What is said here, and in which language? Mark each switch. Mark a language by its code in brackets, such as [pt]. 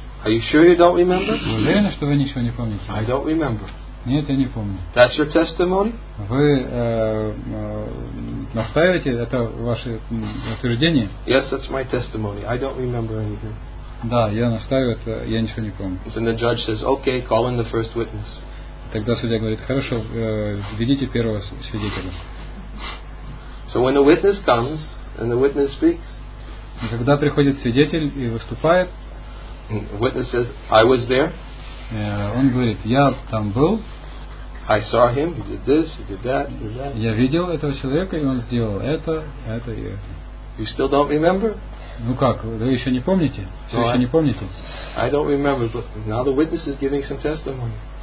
[en] Are you sure you don't remember? [ru] Вы уверены, что вы ничего не помните? [en] I don't remember. [ru] Нет, я не помню. [en] That's your testimony? [ru] Вы настаиваете, это ваше утверждение? [en] Yes, that's my testimony. I don't remember anything. [ru] Да, я настаиваю, это я ничего не помню. [en] Then the judge says, okay, call in the first witness. [ru] Тогда судья говорит, хорошо, введите первого свидетеля. [en] So when the witness comes and the witness speaks. [ru] И когда приходит свидетель и выступает. [en] The witness says, I was there. [ru] Он говорит, я там был. [en] I saw him, he did this, he did that, he did that. [ru] Я видел этого человека, и он сделал это и это. [en] You still don't remember? [ru] Ну как, вы еще не помните? [en] I don't remember, but now the witness is giving some testimony.